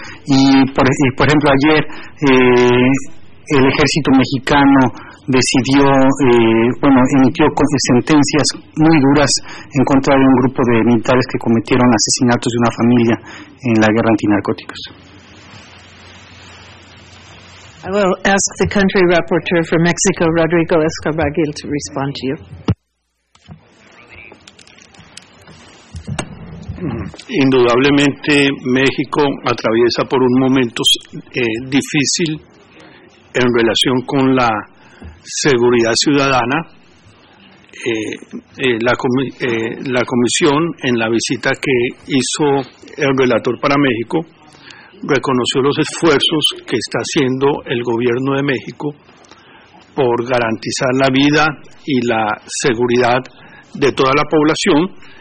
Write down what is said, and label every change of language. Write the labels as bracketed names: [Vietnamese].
[Spanish] Y, por ejemplo, ayer el ejército mexicano decidió, emitió sentencias muy duras en contra de un grupo de militares que cometieron asesinatos de una familia en la guerra antinarcóticos. [English] I will ask the country rapporteur for Mexico, Rodrigo Escobar-Gil, to respond to you. [Spanish] Indudablemente, México atraviesa por un momento difícil en relación con la seguridad ciudadana. La comisión, en la visita que hizo el relator para México, reconoció los esfuerzos que está haciendo el gobierno de México por garantizar la vida y la seguridad de toda la población.